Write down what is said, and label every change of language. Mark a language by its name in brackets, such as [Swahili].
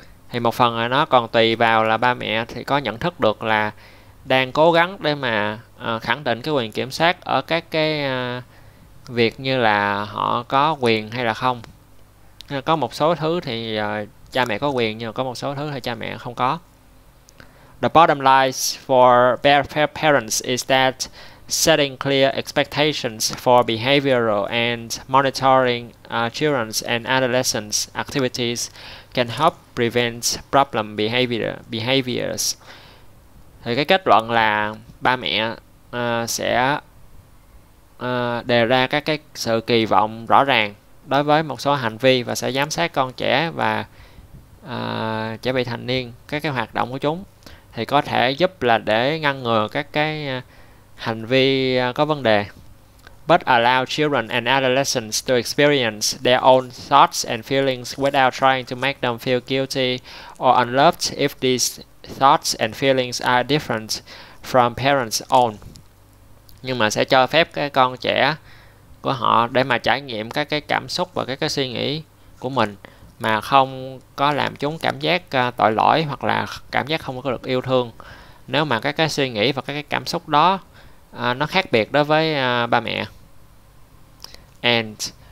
[Vietnamese] Thì một phần là nó còn tùy vào là ba mẹ thì có nhận thức được là đang cố gắng để mà khẳng định cái quyền kiểm soát ở các cái việc như là họ có quyền hay là không. Có một số thứ thì cha mẹ có quyền nhưng mà có một số thứ thì cha mẹ không có. [English] The bottom line for parents is that setting clear expectations for behavioral and monitoring children's and adolescents' activities can help prevent problem behaviors. [Vietnamese] Thì cái kết luận là ba mẹ sẽ đề ra các cái sự kỳ vọng rõ ràng đối với một số hành vi và sẽ giám sát con trẻ và trẻ vị thành niên, các cái hoạt động của chúng thì có thể giúp là để ngăn ngừa các cái hành vi có vấn đề. [English] But allow children and adolescents to experience their own thoughts and feelings without trying to make them feel guilty or unloved if these thoughts and feelings are different from parents' own. [Vietnamese] Nhưng mà sẽ cho phép cái con trẻ của họ để mà trải nghiệm các cái cảm xúc và các cái suy nghĩ của mình mà không có làm chúng cảm giác tội lỗi hoặc là cảm giác không có được yêu thương. Nếu mà các cái suy nghĩ và các cái cảm xúc đó nó khác biệt đối với ba mẹ. And